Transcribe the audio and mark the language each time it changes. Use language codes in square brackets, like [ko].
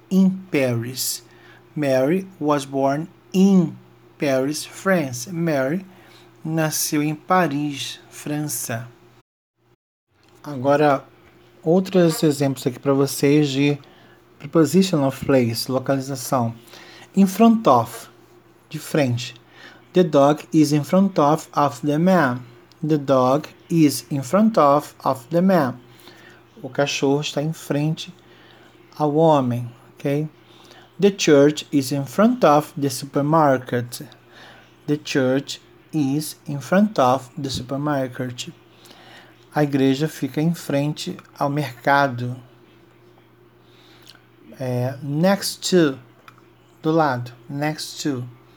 [en] In Paris. Mary was born in Paris, France. [pt] Mary nasceu em Paris, França. Agora, outros exemplos aqui para vocês de preposition of place, localização. In front of, de frente. [en] The dog is in front of the man. The dog is in front of the man. [pt] O cachorro está em frente ao homem, ok? [en] The church is in front of the supermarket. The church is in front of the supermarket. [pt] A igreja fica em frente ao mercado. [en] Next to, [pt] do lado. [en] Next to.